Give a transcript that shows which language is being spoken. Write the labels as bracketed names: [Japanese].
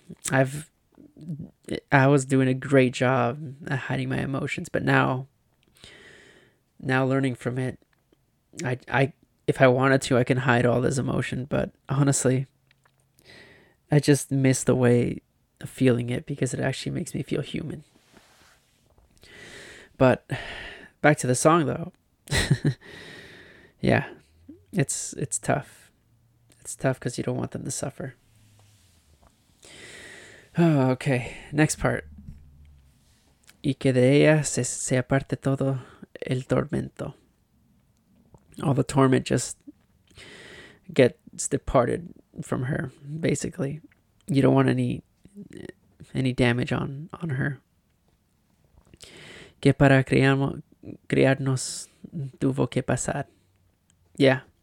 [English] I was doing a great job at hiding my emotions, but now learning from it, I if I wanted to, I can hide all this emotion, but honestly, I just miss the way of feeling it, because it actually makes me feel human. But back to the song, though. Yeah, it's tough. It's tough because you don't want them to suffer. Oh, okay, next part. [Spanish] Y que de ella se aparte todo el tormento. [English] All the torment just gets departed from her, basically. You don't want any damage on her. [Spanish] Que para criarnos tuvo que pasar. [English] Yeah.